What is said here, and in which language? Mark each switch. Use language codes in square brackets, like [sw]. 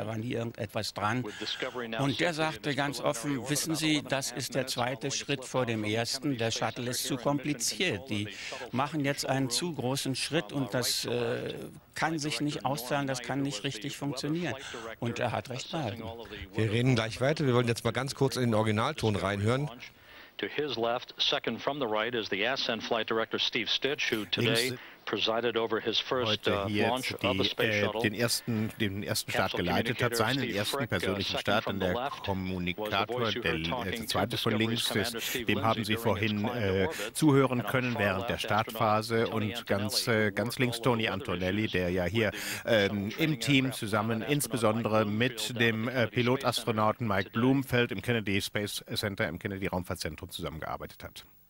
[de] Da war nie irgendetwas dran. Und der sagte ganz offen, wissen Sie, das ist der zweite Schritt vor dem ersten. Der Shuttle ist zu kompliziert. Die machen jetzt einen zu großen Schritt und das kann sich nicht auszahlen, das kann nicht richtig funktionieren. Und er hat recht behalten. Wir reden gleich weiter. Wir wollen jetzt mal ganz kurz in den Originalton reinhören. [en] To his left, second from the right, is the Ascent Flight Director Steve Stitch, who today presided over his first launch of the space shuttle. [de] Den ersten Start geleitet hat, seinen ersten persönlichen Start. Und der Kommunikator, der zweite von links, ist, dem haben Sie vorhin zuhören können während der Startphase. Und ganz links Tony Antonelli, der ja hier im Team zusammen, insbesondere mit dem Pilotastronauten Mike Blumenfeld im Kennedy Space Center, im Kennedy Raumfahrtzentrum zusammengearbeitet hat.